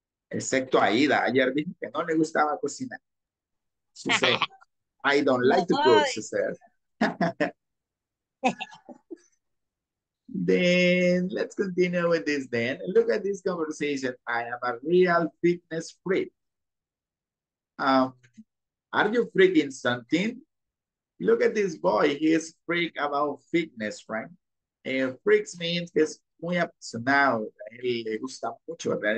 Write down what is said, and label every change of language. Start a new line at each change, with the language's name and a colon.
Spanish: Excepto Aida, ayer dije que no le gustaba cocinar.
English: She said, I don't like to cook, she said. Then, let's continue with this then. Look at this conversation. I am a real fitness freak. Are you freaking something? Look at this boy, he is freak about fitness, right? Freaks means
Spanish: que es muy apasionado, él le gusta mucho, ¿verdad?